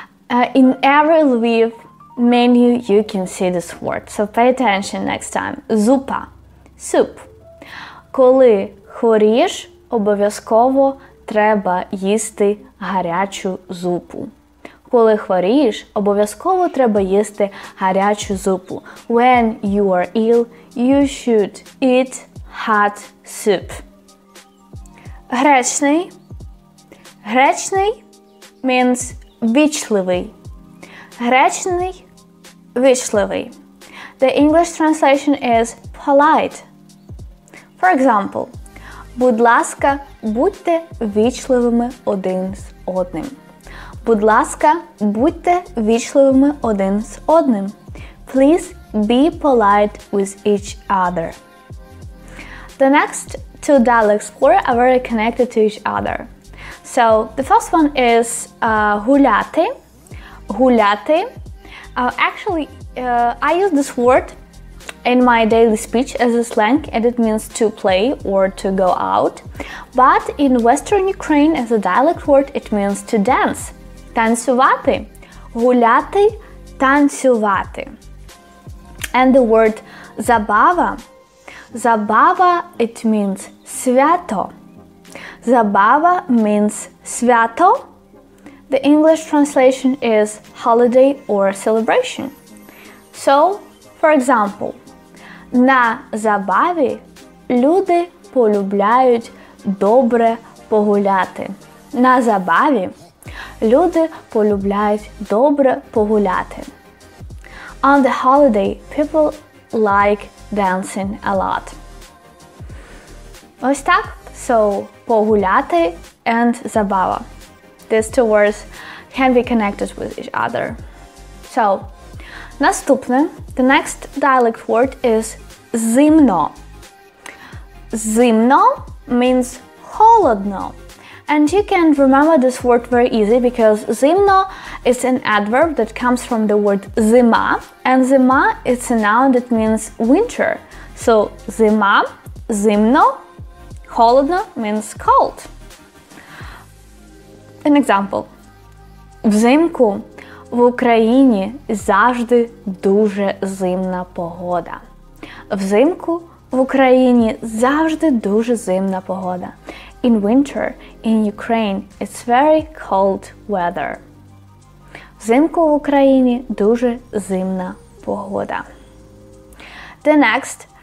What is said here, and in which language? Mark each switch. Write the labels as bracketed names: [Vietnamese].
[English] In every Lviv menu, you can see this word. So pay attention next time. Зупа. Soup. [Ukrainian] Коли хворієш, обов'язково треба їсти гарячу зупу. Коли хворієш, обов'язково треба їсти гарячу зупу. [English] When you are ill, you should eat hot soup. Гречний. Гречний means вічливий. Гречний, вічливий. The English translation is polite. For example, [Ukrainian] будь ласка, будьте вічливими один з одним. Будь ласка, будьте вічливими один з одним. [English] Please be polite with each other. The next two dialects were very connected to each other. So, the first one is гуляти. Гуляти. Actually, I use this word in my daily speech as a slang, and it means to play or to go out. But in Western Ukraine, as a dialect word, it means to dance. Танцювати. Гуляти, танцювати. And the word забава. Забава, it means свято. Забава means свято. The English translation is holiday or celebration. So, for example, [Ukrainian] на забаві люди полюбляють добре погуляти. На забаві люди полюбляють добре погуляти. [English] On the holiday, people like dancing a lot. [Ukrainian] Ось так. [English] So, погуляти and забава. These two words can be connected with each other. So, наступне, the next dialect word is зимно. Зимно means холодно. And you can remember this word very easy because зимно is an adverb that comes from the word зима. And зима is a noun that means winter. So, зима, зимно, холодно means cold. An example. [Ukrainian] Взимку в Україні завжди дуже зимна погода. Взимку в Україні завжди дуже зимна погода. [English] In winter in Ukraine it's very cold weather. [Ukrainian] Взимку в Україні дуже зимна погода. [English] The next